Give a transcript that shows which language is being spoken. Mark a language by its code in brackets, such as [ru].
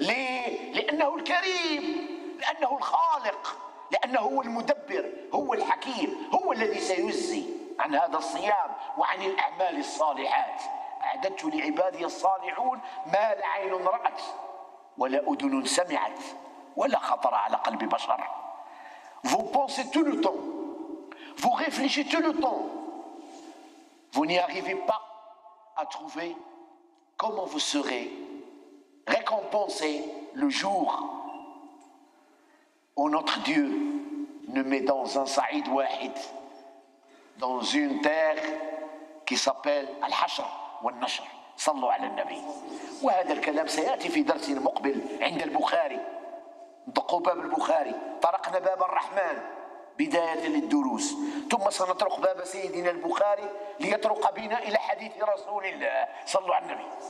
[ar] ليه؟ لأنه الكريم، لأنه الخالق، لأنه هو المدبر، هو الحكيم، هو الذي سيجزي عن هذا الصيام وعن الأعمال الصالحات. أعددت لعبادي الصالحون ما لا عين رأت ولا أذن سمعت ولا خطر على قلب بشر. [fr] Vous pensez tout le temps, vous réfléchissez tout le temps, vous n'y arrivez pas à trouver comment vous serez récompensé le jour où notre Dieu nous met dans un [ar] saïd wahid, [fr] dans une terre qui s'appelle Al-Hashr wal-Nashr. [ar] صلوا على النبي. وهذا الكلام سيأتي في درس المقبل عند البخاري. دقوا باب البخاري، طرقنا باب الرحمن بداية للدروس، ثم سنطرق باب سيدنا البخاري ليطرق بنا إلى حديث رسول الله. صلوا على النبي.